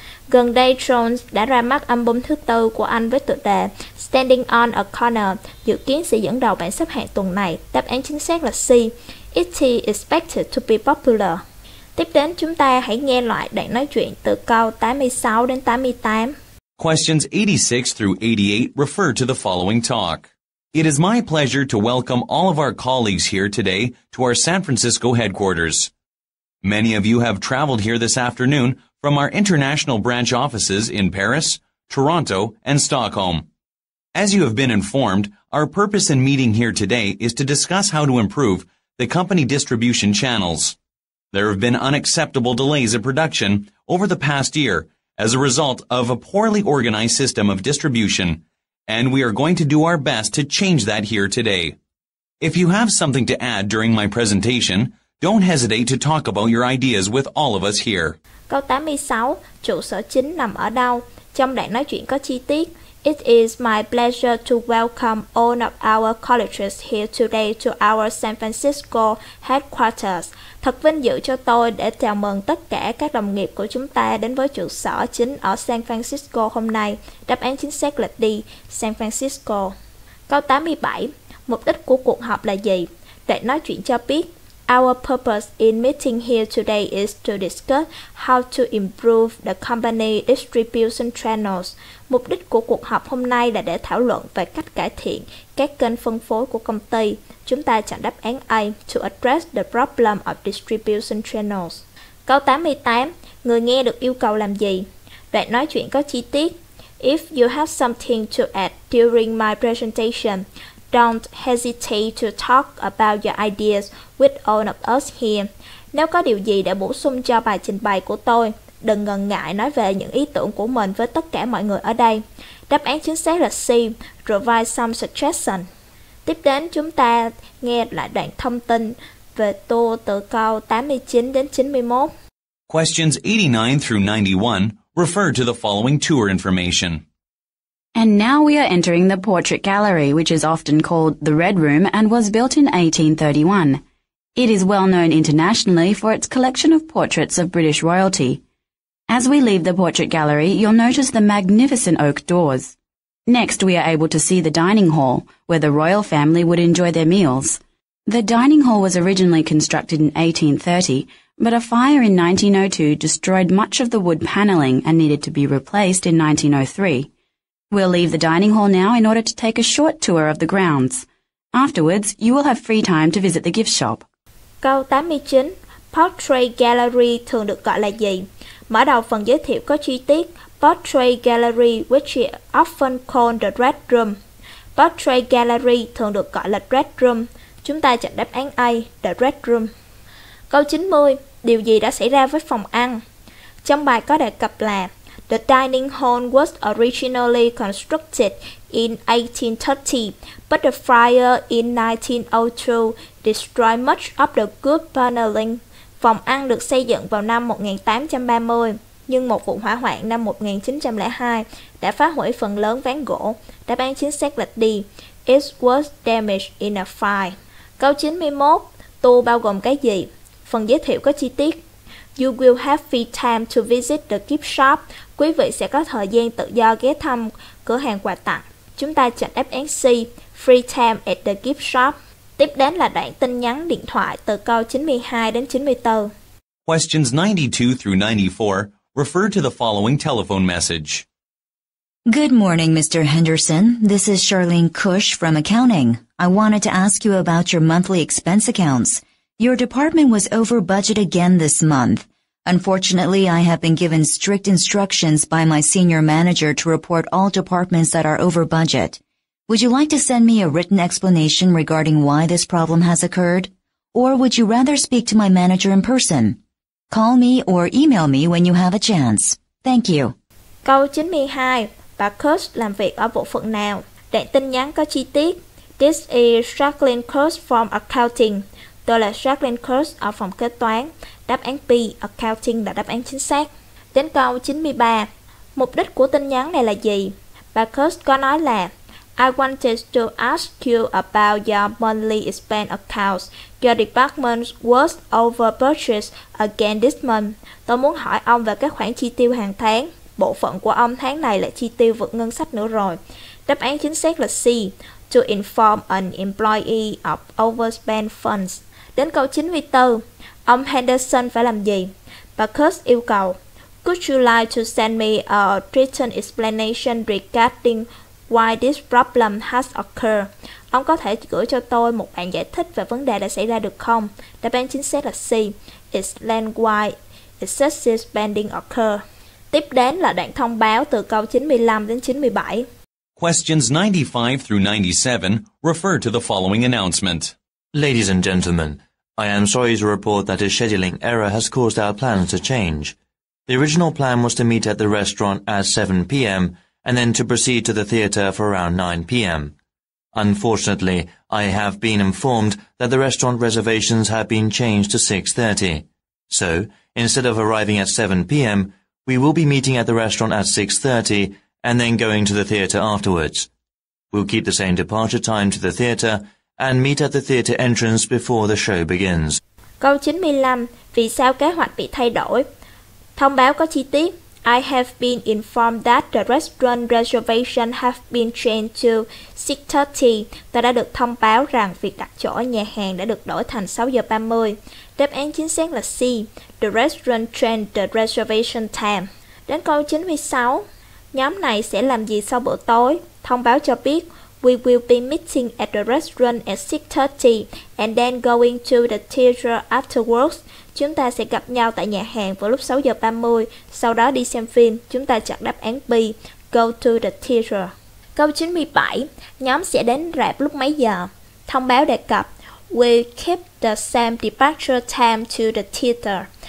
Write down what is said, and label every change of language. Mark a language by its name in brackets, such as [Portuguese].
[Vietnamese] Gần đây, Jones đã ra mắt album thứ tư của anh với tựa đề Standing on a Corner, dự kiến sẽ dẫn đầu bảng xếp hạng tuần này. Đáp án chính xác là C. [English] It is expected to be popular. [Vietnamese] Tiếp đến, chúng ta hãy nghe lại đoạn nói chuyện từ câu 86 đến 88. [English] Questions 86 through 88 refer to the following talk. It is my pleasure to welcome all of our colleagues here today to our San Francisco headquarters. Many of you have traveled here this afternoon from our international branch offices in Paris, Toronto, and Stockholm. As you have been informed, our purpose in meeting here today is to discuss how to improve the company distribution channels. There have been unacceptable delays in production over the past year as a result of a poorly organized system of distribution, and we are going to do our best to change that here today. If you have something to add during my presentation, don't hesitate to talk about your ideas with all of us here. [Vietnamese] Câu 86, trụ sở chính nằm ở đâu? Trong đoạn nói chuyện có chi tiết. [English] It is my pleasure to welcome all of our colleagues here today to our San Francisco headquarters. [Vietnamese] Thật vinh dự cho tôi để chào mừng tất cả các đồng nghiệp của chúng ta đến với trụ sở chính ở San Francisco hôm nay. Đáp án chính xác là D, San Francisco. Câu 87, mục đích của cuộc họp là gì? Đoạn nói chuyện cho biết. [English] Our purpose in meeting here today is to discuss how to improve the company distribution channels. [Vietnamese] Mục đích của cuộc họp hôm nay là để thảo luận về cách cải thiện các kênh phân phối của công ty. Chúng ta chọn đáp án A, [English] to address the problem of distribution channels. [Vietnamese] Câu 88, người nghe được yêu cầu làm gì? Đoạn nói chuyện có chi tiết. [English] If you have something to add during my presentation, don't hesitate to talk about your ideas with all of us here. [Vietnamese] Nếu có điều gì để bổ sung cho bài trình bày của tôi, đừng ngần ngại nói về những ý tưởng của mình với tất cả mọi người ở đây. Đáp án chính xác là C, [English] provide some suggestion. [Vietnamese] Tiếp đến, chúng ta nghe lại đoạn thông tin về tour từ câu 89 đến 91. [English] Questions 89 through 91 refer to the following tour information. And now we are entering the Portrait Gallery, which is often called the Red Room and was built in 1831. It is well known internationally for its collection of portraits of British royalty. As we leave the Portrait Gallery, you'll notice the magnificent oak doors. Next, we are able to see the dining hall, where the royal family would enjoy their meals. The dining hall was originally constructed in 1830, but a fire in 1902 destroyed much of the wood paneling and needed to be replaced in 1903. We'll leave the dining hall now in order to take a short tour of the grounds. Afterwards, you will have free time to visit the gift shop. [Vietnamese] Câu 89. Portrait Gallery thường được gọi là gì? Mở đầu phần giới thiệu có chi tiết. [English] Portrait Gallery, which is often called the Red Room. [Vietnamese] Portrait Gallery thường được gọi là Red Room. Chúng ta chọn đáp án A, the Red Room. Câu 90. Điều gì đã xảy ra với phòng ăn? Trong bài có đề cập là [English] The dining hall was originally constructed in 1830, but the fire in 1902 destroyed much of the good paneling. [Vietnamese] Phòng ăn được xây dựng vào năm 1830, nhưng một vụ hỏa hoạn năm 1902 đã phá hủy phần lớn ván gỗ. Đáp án chính xác là D. [English] It was damaged in a fire. [Vietnamese] Câu 91. Tour bao gồm cái gì? Phần giới thiệu có chi tiết. [English] You will have free time to visit the gift shop. [Vietnamese] Quý vị sẽ có thời gian tự do ghé thăm cửa hàng quà tặng. Chúng ta chọn đáp án C, [English] free time at the gift shop. [Vietnamese] Tiếp đến là đoạn tin nhắn điện thoại từ câu 92 đến 94. [English] Questions 92 through 94 refer to the following telephone message. Good morning, Mr. Henderson. This is Charlene Cush from accounting. I wanted to ask you about your monthly expense accounts. Your department was over budget again this month. Unfortunately, I have been given strict instructions by my senior manager to report all departments that are over budget. Would you like to send me a written explanation regarding why this problem has occurred? Or would you rather speak to my manager in person? Call me or email me when you have a chance. Thank you. [Vietnamese] Câu 92. Bà Kurt làm việc ở bộ phận nào? Đoạn tin nhắn có chi tiết. [English] This is Jacqueline Kurt from accounting. [Vietnamese] Tôi là Jacqueline Kurtz ở phòng kế toán. Đáp án B, accounting là đáp án chính xác. Đến câu 93. Mục đích của tin nhắn này là gì? Bà Kurtz có nói là [English] I wanted to ask you about your monthly expense accounts. Your department was over budget again this month. [Vietnamese] Tôi muốn hỏi ông về các khoản chi tiêu hàng tháng. bộ phận của ông tháng này lại chi tiêu vượt ngân sách nữa rồi. Đáp án chính xác là C, [English] to inform an employee of overspent funds. [Vietnamese] Đến câu 94, ông Henderson phải làm gì? Bà Kurtz yêu cầu, [English] could you like to send me a written explanation regarding why this problem has occurred? [Vietnamese] Ông có thể gửi cho tôi một bản giải thích về vấn đề đã xảy ra được không? Đáp án chính xác là C, [English] explain why excessive spending occurred. [Vietnamese] Tiếp đến là đoạn thông báo từ câu 95 đến 97. [English] Questions 95 through 97 refer to the following announcement. Ladies and gentlemen, I am sorry to report that a scheduling error has caused our plans to change. The original plan was to meet at the restaurant at 7 p.m. and then to proceed to the theater for around 9 p.m. Unfortunately, I have been informed that the restaurant reservations have been changed to 6:30. So, instead of arriving at 7 p.m., we will be meeting at the restaurant at 6:30 and then going to the theater afterwards. We'll keep the same departure time to the theater and meet at the theater entrance before the show begins. [Vietnamese] Câu 95. Vì sao kế hoạch bị thay đổi? Thông báo có chi tiết. [English] I have been informed that the restaurant reservation have been changed to 6:30. [Vietnamese] Tôi đã được thông báo rằng việc đặt chỗ ở nhà hàng đã được đổi thành 6:30. Đáp án chính xác là C. [English] The restaurant changed the reservation time. [Vietnamese] Đến câu 96. Nhóm này sẽ làm gì sau bữa tối? Thông báo cho biết, [English] we will be meeting at the restaurant at 6:30 and then going to the theater afterwards. [Vietnamese] Chúng ta sẽ gặp nhau tại nhà hàng vào lúc 6:30, sau đó đi xem phim. Chúng ta chọn đáp án B, [English] go to the theater. [Vietnamese] Câu 97, nhóm sẽ đến rạp lúc mấy giờ? Thông báo đề cập, [English] we keep the same departure time to the theater.